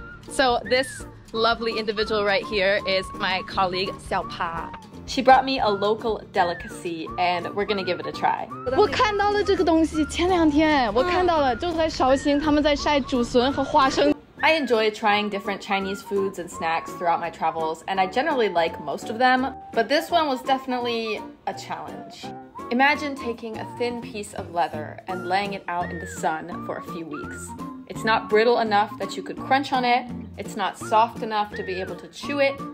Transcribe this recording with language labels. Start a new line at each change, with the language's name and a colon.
English: So this lovely individual right here is my colleague Xiao Pa. She brought me a local delicacy and we're gonna give it a try.
Chinese: 我看到了这个东西，前两天我看到了，就是在绍兴，他们在晒竹笋和花生。
English: I enjoy trying different Chinese foods and snacks throughout my travels, and I generally like most of them, but this one was definitely a challenge. Imagine taking a thin piece of leather and laying it out in the sun for a few weeks. It's not brittle enough that you could crunch on it. It's not soft enough to be able to chew it.